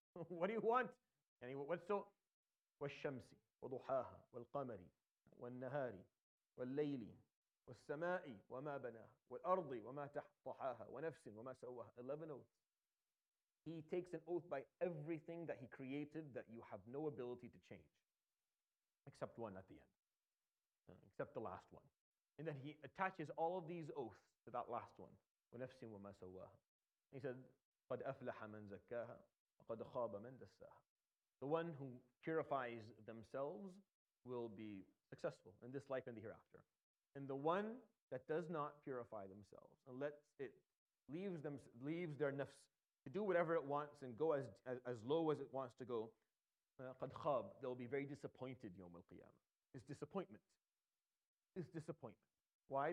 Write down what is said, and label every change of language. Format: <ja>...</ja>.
<en>What do you want? What's so?</en> <ar>وَالشَّمْسِ وَضُحَاهَا وَالْقَمَرِ وَالنَّهَارِ وَاللَّيْلِ وَالسَّمَاءِ وَمَا بَنَاهَا وَالْأَرْضِ وَمَا تَحْطَحَاهَا وَنَفْسٍ وَمَا سَوَّهَا.</ar> <en>11 oaths. He takes an oath by everything that he created that you have no ability to change. Except one at the end. Except the last one. And then he attaches all of these oaths to that last one.</en> <ar>وَنَفْسٍ وَمَا سَوَّهَا.</ar> <en>He said,</en> <ar>قَدْ أَفْلَحَ مَنْ زَكَّاهَا وَقَدْ خَابَ مَنْ دَسَّاهَا.</ar> <en>The one who purifies themselves will be successful in this life and the hereafter. And the one that does not purify themselves and leaves their nafs to do whatever it wants and go as low as it wants to go,</en> <ar>قَدْ خَاب,</ar> <en>they'll be very disappointed</en> <ar>يَوْمَ الْقِيَامَةِ.</ar> <en>It's disappointment. It's disappointment. Why?</en>